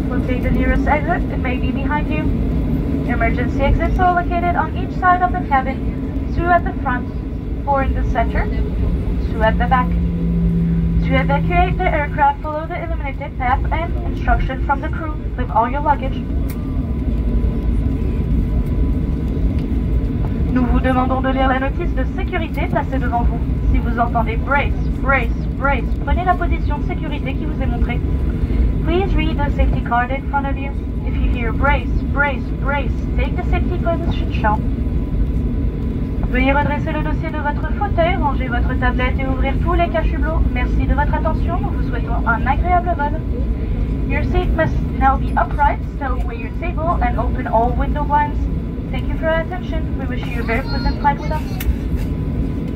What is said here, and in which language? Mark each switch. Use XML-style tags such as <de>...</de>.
<en>Locate the nearest exit, it may be behind you. Emergency exits are located on each side of the cabin, 2 at the front, 4 in the center, 2 at the back. To evacuate the aircraft, follow the illuminated path and instruction from the crew. Leave all your luggage.</en> <fr>Nous vous demandons de lire la notice de sécurité placée devant vous. Si vous entendez brace, brace, brace, prenez la position de sécurité qui vous est montrée.</fr> <en>Please read the safety card in front of you. If you hear brace, brace, brace, take the safety position shot.</en> <fr>Veuillez redresser le dossier de votre fauteuil, ranger votre tablette et ouvrir tous les cachublots. Merci de votre attention, nous vous souhaitons un agréable vol.</fr> <en>Your seat must now be upright, stow away your table and open all window blinds. Thank you for your attention, we wish you a very pleasant flight with us.</en>